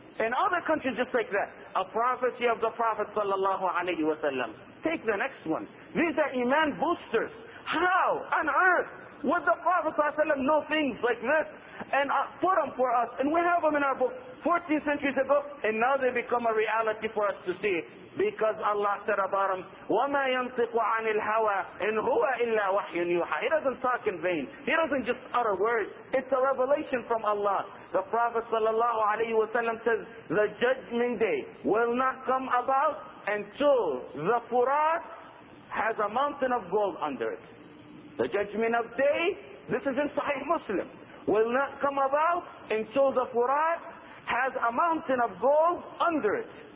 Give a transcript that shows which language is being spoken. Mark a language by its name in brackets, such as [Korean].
[English] And other countries just like that. A prophecy of the Prophet sallallahu alayhi wa sallam. Take the next one. These are iman boosters. How on earth would the Prophet sallallahu alayhi wa sallam know things like this and put them for us? And we have them in our book 14 centuries ago, and now they become a reality for us to see. Because Allah said about him, [Arabic] وَمَا يَنْطِقُ عَنِ الْهَوَىٰ إِنْ هُوَ إِلَّا وَحْيٌ يُوحَىٰ. [English] He doesn't talk in vain. He doesn't just utter words. It's a revelation from Allah. The Prophet sallallahu alayhi wa sallam says, the judgment day will not come about until the Furat has a mountain of gold under it. The judgment of day, this is in Sahih Muslim, will not come about until the Furat has a mountain of gold under it.